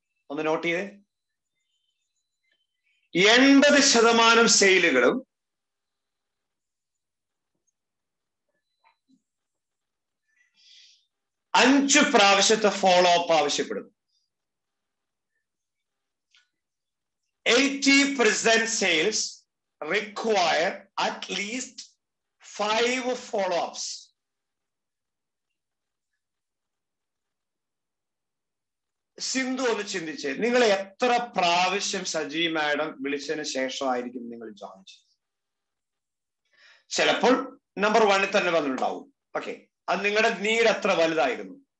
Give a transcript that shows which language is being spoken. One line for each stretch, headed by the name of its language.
Malayalam: ഒന്ന് നോട്ട് ചെയ്തേ, 80% സെയിലുകളും അഞ്ചു പ്രാവശ്യത്തെ ഫോളോ അപ്പ് ആവശ്യപ്പെടുന്നു.
English: 80% sales require at least 5 follow-ups.
Malayalam: Sindhu ഒന്ന് ചിന്തിച്ച്, നിങ്ങൾ എത്ര പ്രാവശ്യം സജീവ് മാഡം വിളിച്ചതിന് ശേഷമായിരിക്കും നിങ്ങൾ ജോയിൻ ചെയ്തത്? ചിലപ്പോൾ നമ്പർ 1 തന്നെ വന്നിട്ടുണ്ടാവും. ഓക്കെ, അത് നിങ്ങളുടെ നീഡ് എത്ര വലുതായിരുന്നു.